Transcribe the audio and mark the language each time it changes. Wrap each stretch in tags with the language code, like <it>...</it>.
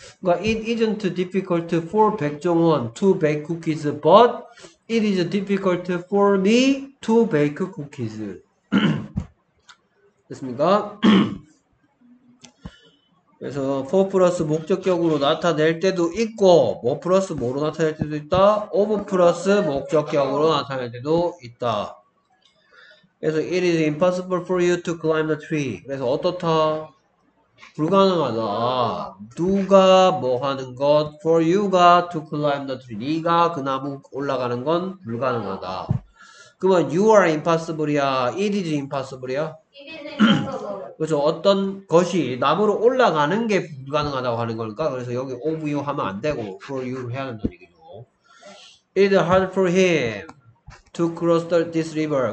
<en>그러니까 it isn't difficult for 백종원 to bake cookies but It is difficult for me to bake cookies.</en> <ko>됐습니까? 그래서 for 플러스 목적격으로 나타낼 때도 있고 뭐 플러스 뭐로 나타낼 때도 있다. of 플러스 목적격으로 나타낼 때도 있다.</ko> <en>그래서 it is impossible for you to climb the tree.</en> <ko>그래서 어떻다? 불가능하다. 누가 뭐 하는 것 for you가</ko> <en>to climb the tree.</en> <ko>네가 그 나무 올라가는 건 불가능하다. 그러면 you are impossible이야.</ko> <en>It is impossible</en> <ko>이야.</ko> <en>It is impossible.</en> <ko>그렇죠. 어떤 것이 나무로 올라가는 게 불가능하다고 하는 걸까? 그래서 여기 of you 하면 안 되고 for you 해야 된다는 얘기죠.</ko> <en>It is hard for him to cross this river.</en>